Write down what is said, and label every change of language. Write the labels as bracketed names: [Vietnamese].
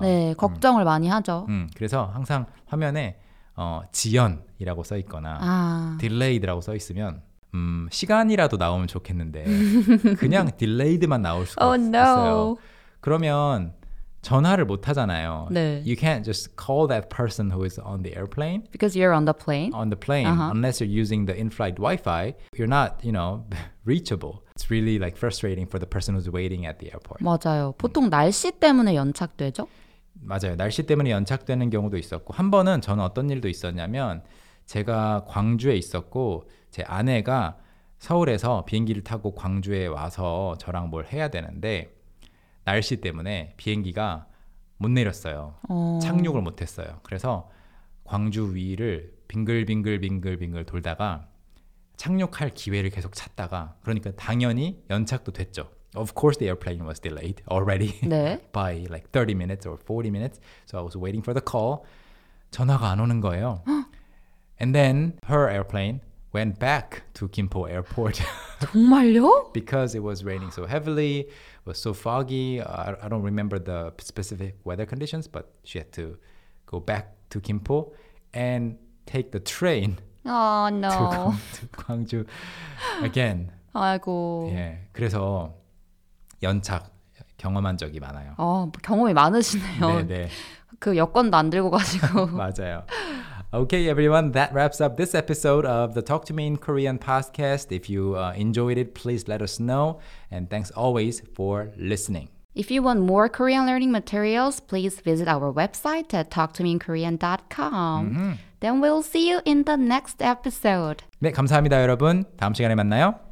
[Korean] 네, 걱정을 많이 하죠. 그래서 항상 화면에 지연이라고 써 있거나 delayed라고 써 있으면 시간이라도 나오면 좋겠는데 그냥 delayed만 나올 수가 있어요. 그러면 전화를 못 하잖아요. 네. [English] You can't just call that person who is on the airplane. Because you're on the plane. On the plane. Uh-huh. Unless you're using the in-flight Wi-Fi, you're not, you know, reachable. It's really like frustrating for the person who's waiting at the airport. [Korean] 맞아요. 보통 날씨 때문에 연착되죠? 맞아요. 날씨 때문에 연착되는 경우도 있었고 한 번은 저는 어떤 일도 있었냐면 제가 광주에 있었고 제 아내가 서울에서 비행기를 타고 광주에 와서 저랑 뭘 해야 되는데 날씨 때문에 비행기가 못 내렸어요. 착륙을 못 했어요. 그래서 광주 위를 빙글빙글 돌다가 착륙할 기회를 계속 찾다가 그러니까 당연히 연착도 됐죠. [English] Of course the airplane was delayed already [Korean] 네. [English] by like 30 minutes or 40 minutes. So I was waiting for the call. [Korean] 전화가 안 오는 거예요. [English] And then her airplane went back to Gimpo Airport. [Korean] 정말요? [English] Because it was raining so heavily, was so foggy. I don't remember the specific weather conditions, but she had to go back to Gimpo and take the train to Gwangju again. [Korean] 아이고. 예, 그래서 연착 경험한 적이 많아요. 어, 경험이 많으시네요. 네. 그 여권도 안 들고 가시고. 맞아요. [English] Okay, everyone, that wraps up this episode of the Talk to Me in Korean podcast. If you enjoyed it, please let us know. And thanks always for listening. If you want more Korean learning materials, please visit our website at talktomeinkorean.com. Mm-hmm. Then we'll see you in the next episode. [Korean] 네, 감사합니다, 여러분. 다음 시간에 만나요.